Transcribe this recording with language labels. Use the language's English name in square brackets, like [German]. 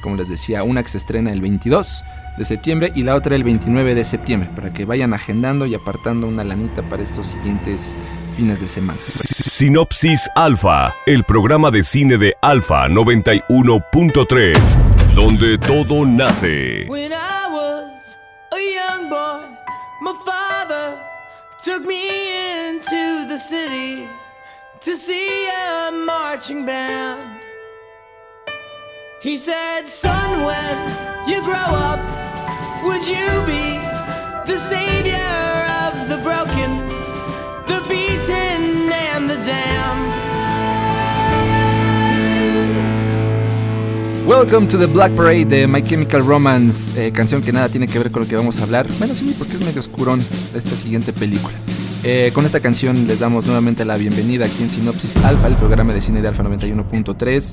[Spanish] Como les decía, una que se estrena el 22 de septiembre y la otra el 29 de septiembre, para que vayan agendando y apartando una lanita para estos siguientes fines de semana. Sinopsis Alfa, el programa de cine de Alfa 91.3, donde todo nace. [English] When I was a young boy, my father took me into the city to see a marching band. He said, son, when you grow up, would you be the savior of the broken, the beaten and the damned? [Spanish] Welcome to the Black Parade de My Chemical Romance, canción que nada tiene que ver con lo que vamos a hablar. Bueno, sí, porque es medio oscurón esta siguiente película. Con esta canción les damos nuevamente la bienvenida aquí en Sinopsis Alfa, el programa de cine de Alfa 91.3.